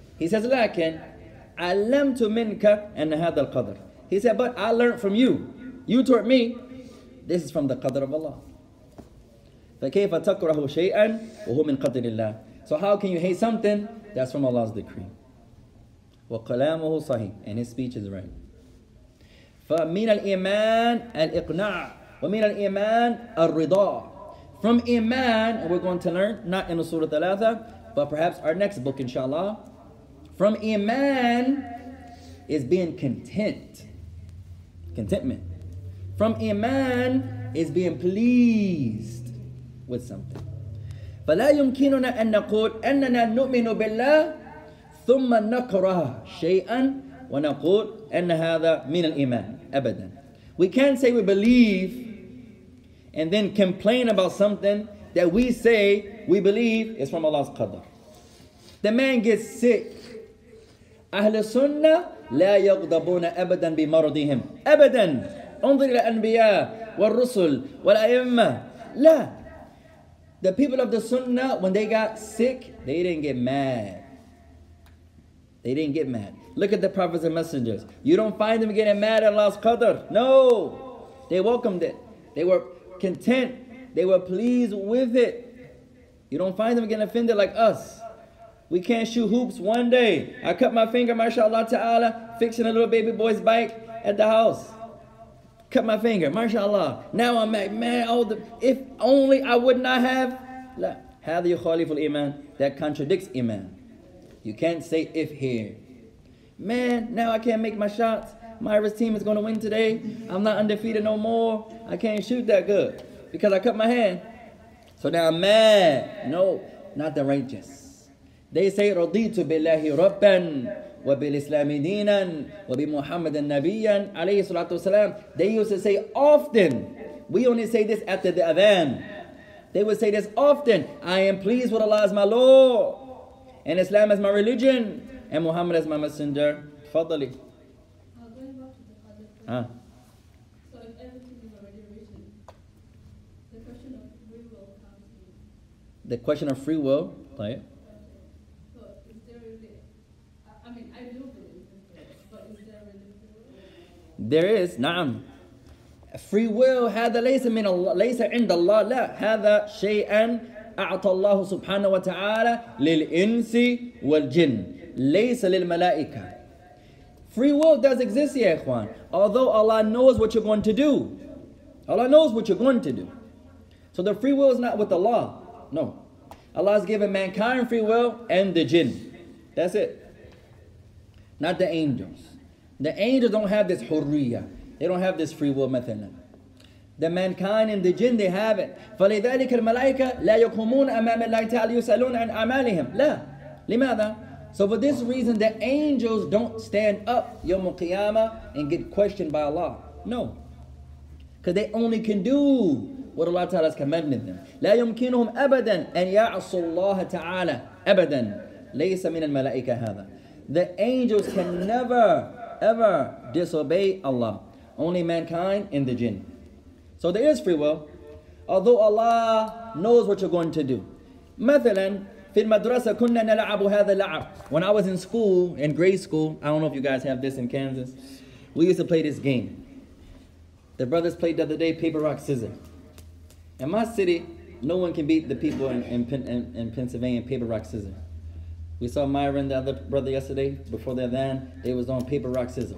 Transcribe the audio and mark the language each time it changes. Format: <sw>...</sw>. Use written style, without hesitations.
<en>He says,</en> <ar>لكن علمت منك أن هذا القدر.</ar> <en>He said, but I learned from you. You taught me. This is from the qadr of Allah.</en> <ar>فكيف تكره شيئا وهو من قدر الله.</ar> <en>So how can you hate something that's from Allah's decree?</en> <ar>وقلامه صحيح,</ar> <en>and his speech is right.</en> <ar>فمن الإيمان الإقناع ومن الإيمان الرضا.</ar> <en>From iman, and we're going to learn not in the Surah Thalatha, but perhaps our next book, inshallah. From iman is being content. Contentment. from a man is being pleased with something.</en> <ar>فلا يمكننا أن نقول أننا نؤمن بالله ثم نكره شيئا ونقول أن هذا من الإيمان أبدا.</ar> <en>We can't say we believe and then complain about something that we say we believe is from Allah's qadr. The man gets sick.</en> <ar>أهل السنة لا يغضبون أبدا بمرضهم أبدا. انظر إلى الأنبياء والرسل والأئمة. لا.</ar> <en>The people of the Sunnah, when they got sick, they didn't get mad. They didn't get mad. Look at the prophets and messengers. You don't find them getting mad at Allah's Qadr. No. They welcomed it. They were content. They were pleased with it. You don't find them getting offended like us. We can't shoot hoops one day. I cut my finger, mashallah ta'ala, fixing a little baby boy's bike at the house. Cut my finger, mashallah. Now I'm like, man, oh, if only I would not have.</en> <ar>هذا يخالف الإيمان.</ar> <en>That contradicts Iman. You can't say if here. Man, now I can't make my shots. My Iris team is going to win today. I'm not undefeated no more. I can't shoot that good because I cut my hand. So now I'm mad. No, not the righteous. They say,</en> <ar>رضيت بالله ربا وبالإسلام دينا وبمحمد النبي عليه الصلاة والسلام.</ar> <en>They used to say often. We only say this after the Adhan. They would say this often. I am pleased with Allah as my Lord. And Islam is my religion, and Muhammad is my messenger.</en> <ar>Tafadhali.</ar> <en>Going back to the Qadr question. So if everything is already written, the question of free will comes in. The question of free will? So is there really, I mean, I do believe in free will, but is there really free will? There is, na'am.</en> <ar>Free will, هذا ليس من الله, ليس عند الله, لا. هذا شيئاً. أعطى الله سبحانه وتعالى للإنس والجن ليس للملائكة.</ar> <en>Free will does exist,</en> <ar>يا إخوان.</ar> <en>Although Allah knows what you're going to do. Allah knows what you're going to do. So the free will is not with Allah. No. Allah has given mankind free will and the jinn. That's it. Not the angels. The angels don't have this حرية. They don't have this free will مثلا. The mankind and the jinn, they have it.</en> <ar>فلذلك الملائكة لا يقومون أمام الله تعالى يسألون عن أعمالهم. لا. لماذا?</ar> <en>So for this reason, the angels don't stand up</en> <ar>يوم القيامة</ar> <en>and get questioned by Allah. No. Because they only can do what Allah تعالى has commanded them.</en> <ar>لا يمكنهم أبدا أن يعصوا الله تعالى أبدا. ليس من الملائكة هذا.</ar> <en>The angels can never, ever disobey Allah. Only mankind and the jinn. So there is free will, although Allah knows what you're going to do.</en> <ar>مثلاً في المدرسة كنا نلعب هذا اللعب.</ar> <en>When I was in school, in grade school, I don't know if you guys have this in Kansas, we used to play this game. The brothers played the other day, paper, rock, scissors. In my city, no one can beat the people in Pennsylvania, paper, rock, scissors. We saw Myron, the other brother, yesterday, before their van, they was on paper, rock, scissors.</en>